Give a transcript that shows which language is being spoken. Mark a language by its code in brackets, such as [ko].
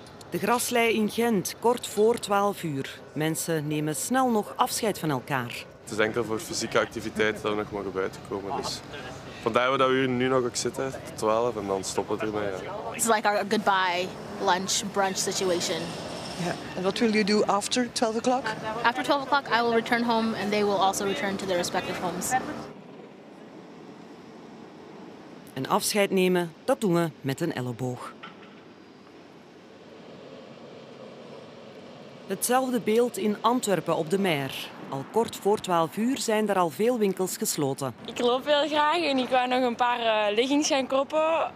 [nl] De graslei in Gent, kort voor 12 uur. Mensen nemen snel nog afscheid van elkaar. Het is enkel voor fysieke activiteit dat we nog mogen buitenkomen. Dus. Vandaar dat we nu nog ook zitten, tot 12, en dan stoppen we ermee. Het is [en] like [nl] een [en] goodbye lunch, brunch situation. Yeah. And what will you do after 12 o'clock? After 12 o'clock, I will return home and they will also return to their respective homes. [nl] Een afscheid nemen, dat doen we met een elleboog. Hetzelfde beeld in Antwerpen op de Meer. Al kort voor 12 uur zijn er al veel winkels gesloten. Ik loop heel graag en ik wou nog een paar leggings gaan kopen.